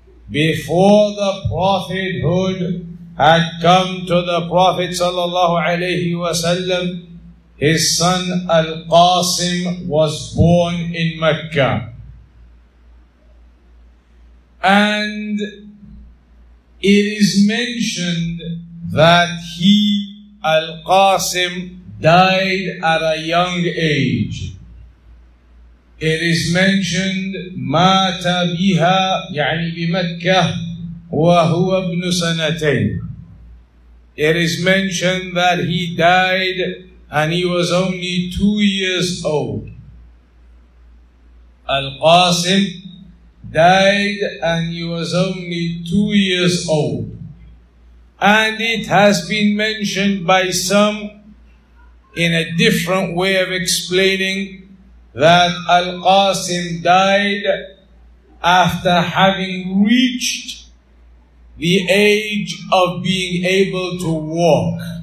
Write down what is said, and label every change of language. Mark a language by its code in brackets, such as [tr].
[en] Before the prophethood had come to the Prophet sallallahu alayhi wasallam, his son Al-Qasim was born in Mecca. And it is mentioned that he, Al-Qasim, died at a young age. It is mentioned, [ar] مَاتَ بِهَا يَعْنِي بِمَكَّةِ وَهُوَ ابْنُ سَنَتَيْنِ. [en] It is mentioned that he died and he was only 2 years old. Al-Qasim died and he was only 2 years old. And it has been mentioned by some in a different way of explaining that Al-Qasim died after having reached the age of being able to walk.